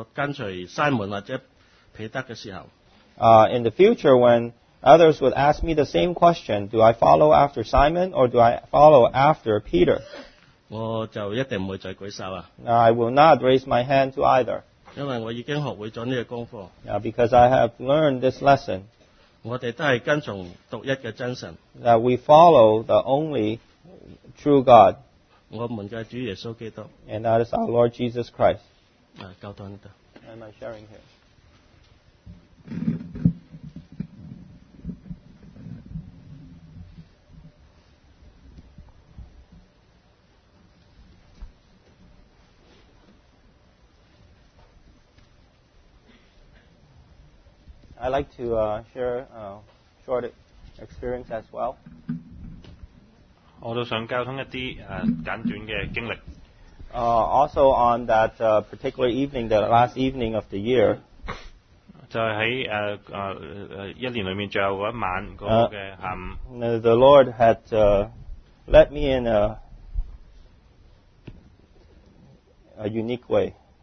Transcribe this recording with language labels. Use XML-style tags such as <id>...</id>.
<zh>当下次有人再问我跟随西门或者彼得的时候,</zh> <en>In the future, when others would ask me the same question, do I follow after Simon or do I follow after Peter?</en> <zh>我就一定不会再举手,</zh> <en>I will not raise my hand to either.</en> <zh>因为我已经学会了这个功课,</zh> <en>because I have learned this lesson.</en> <zh>我们都是跟从独一的真神,</zh> <en>that we follow the only true God.</en> <zh>我们的主耶稣基督,</zh> <en>and that is our Lord Jesus Christ.</en> <zh>教导你的,</zh> <en>am I sharing here? I'd like to share a short experience as well.</en> <zh>我都想交通一些簡短的經歷。</zh> <en>Also on that particular evening, the last evening of the year,</en> <zh>就是在一年裡面最後一晚的下午。</zh> <en>The Lord had led me in a unique way.</en>